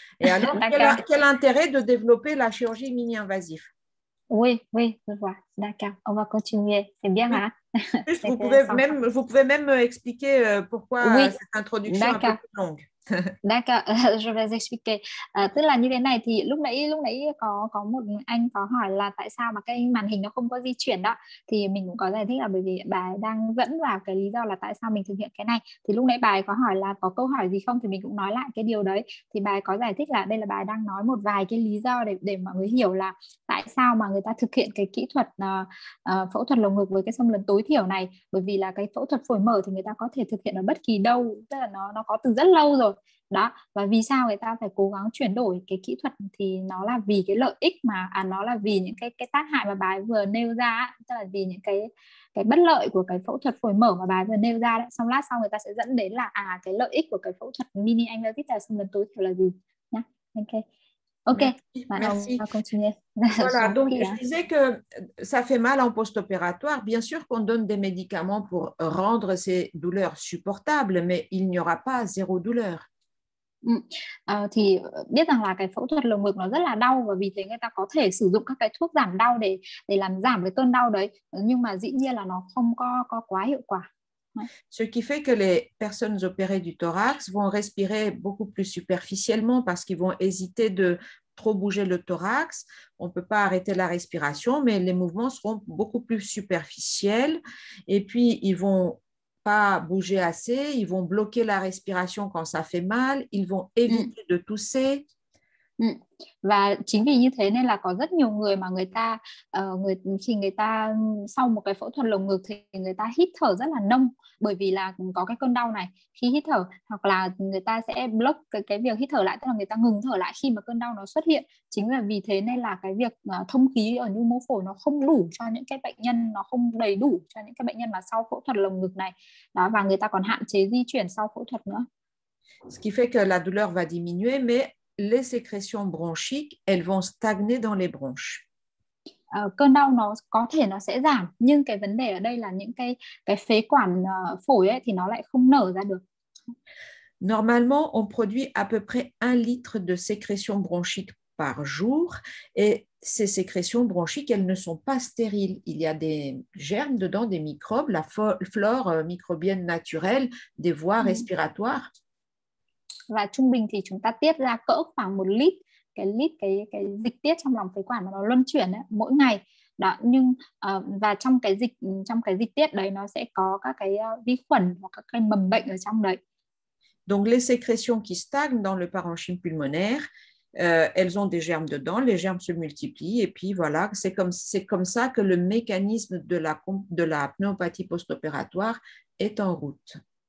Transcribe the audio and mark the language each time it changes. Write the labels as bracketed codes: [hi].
[fr] Et alors, D'accord. quel intérêt de développer la chirurgie mini-invasive? Oui, je vois. D'accord. On va continuer. C'est bien, hein? C'est Juste, intéressant. vous pouvez même expliquer pourquoi Oui, cette introduction est un peu d'accord. plus longue. D'accord, je vais expliquer. [vi] Tức là như thế này thì lúc nãy có một anh có hỏi là tại sao mà cái màn hình nó không có di chuyển đó, thì mình cũng có giải thích là bởi vì bài đang dẫn vào cái lý do là tại sao mình thực hiện cái này. Thì lúc nãy bài có hỏi là có câu hỏi gì không thì mình cũng nói lại cái điều đấy. Thì bài có giải thích là đây là bài đang nói một vài cái lý do để mọi người hiểu là tại sao mà người ta thực hiện cái kỹ thuật phẫu thuật lồng ngực với cái xâm lấn tối thiểu này, bởi vì là cái phẫu thuật phổi mở thì người ta có thể thực hiện ở bất kỳ đâu, tức là nó có từ rất lâu rồi. Đó, và vì sao người ta phải cố gắng chuyển đổi cái kỹ thuật thì nó là vì cái lợi ích mà nó là vì những cái tác hại mà bài vừa nêu ra, tức là vì những cái bất lợi của cái phẫu thuật phổi mở mà bài vừa nêu ra đấy. Xong lát sau người ta sẽ dẫn đến là cái lợi ích của cái phẫu thuật mini angiotensin xâm lấn tối thiểu là gì nhá. Ok. [en] OK. [fr] Merci. Maintenant, merci. Voilà, donc okay, je disais que ça fait mal en post-opératoire. Bien sûr qu'on donne des médicaments pour rendre ces douleurs supportables, mais il n'y aura pas zéro douleur. [vi] Thì biết rằng là cái phẫu thuật lồng ngực nó rất là đau và vì thế người ta có thể sử dụng các cái thuốc giảm đau để làm giảm cái cơn đau đấy, nhưng mà dĩ nhiên là nó không có quá hiệu quả. [fr] Ce qui fait que les personnes opérées du thorax vont respirer beaucoup plus superficiellement parce qu'ils vont hésiter de trop bouger le thorax. On ne peut pas arrêter la respiration, mais les mouvements seront beaucoup plus superficiels. Et puis, ils ne vont pas bouger assez, ils vont bloquer la respiration quand ça fait mal, ils vont éviter de tousser. [vi] Và chính vì như thế nên là có rất nhiều người mà người ta khi người ta sau một cái phẫu thuật lồng ngực thì người ta hít thở rất là nông, bởi vì là có cái cơn đau này khi hít thở, hoặc là người ta sẽ block cái việc hít thở lại, tức là người ta ngừng thở lại khi mà cơn đau nó xuất hiện. Chính là vì thế nên là cái việc thông khí ở nhu mô phổi nó không đủ cho những cái bệnh nhân, nó không đầy đủ cho những cái bệnh nhân mà sau phẫu thuật lồng ngực này đó, và người ta còn hạn chế di chuyển sau phẫu thuật nữa. [fr] Ce qui fait que la douleur va diminuer mais les sécrétions bronchiques, elles vont stagner dans les bronches. [vi] Cơn đau nó có thể nó sẽ giảm, nhưng cái vấn đề ở đây là những cái phế quản phổi ấy, thì nó lại không nở ra được. [fr] Normalement, on produit à peu près 1 litre de sécrétions bronchiques par jour, et ces sécrétions bronchiques, elles ne sont pas stériles. Il y a des germes dedans, des microbes, la flore microbienne naturelle, des voies respiratoires. [vi] Và trung bình thì chúng ta tiết ra cỡ khoảng 1 lít cái dịch tiết trong lòng phế quản mà nó luân chuyển ấy, mỗi ngày. Đó, nhưng và trong cái dịch tiết đấy nó sẽ có các cái vi khuẩn hoặc các cái mầm bệnh ở trong đấy. [fr] Donc les sécrétions qui stagnent dans le parenchyme pulmonaire, elles ont des germes dedans, les germes se multiplient et puis voilà, c'est comme ça que le mécanisme de la pneumopathie post-opératoire est en route.